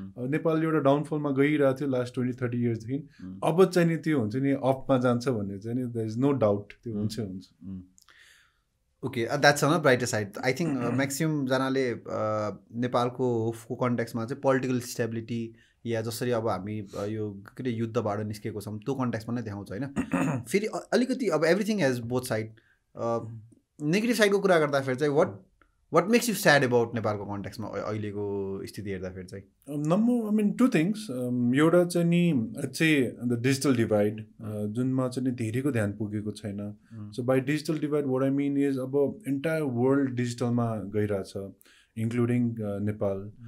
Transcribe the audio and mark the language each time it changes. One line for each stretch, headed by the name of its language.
Nepali: नेपाल एउटा डाउनफलमा गइरहेको थियो लास्ट 20-30 इयर्सदेखि, अब चाहिँ नि त्यो हुन्छ नि अपमा जान्छ भन्ने चाहिँ नि देयर इज नो डाउट, त्यो हुन्छै हुन्छ.
English: Okay, that's on brighter side.
Nepali: I think म्याक्सिमजनाले नेपालको होपको कन्टेक्स्टमा चाहिँ पोलिटिकल स्टेबिलिटी या जसरी अब हामी यो के अरे युद्धबाट निस्केको छौँ त्यो कन्ट्याक्समा नै देखाउँछ होइन.
English: फेरि अलिकति अब एभ्रिथिङ हेज बोथ साइड.
Nepali: Negative साइडको कुरा गर्दाखेरि चाहिँ what makes you sad about नेपालको कन्ट्याक्समा अहिलेको स्थिति हेर्दाखेरि चाहिँ?
English: Number I mean two things.
Nepali: एउटा चाहिँ नि चाहिँ द डिजिटल डिभाइड जुनमा चाहिँ नि धेरैको ध्यान पुगेको छैन.
English: So by digital divide what I mean is अब entire world डिजिटलमा गइरहेछ including Nepal.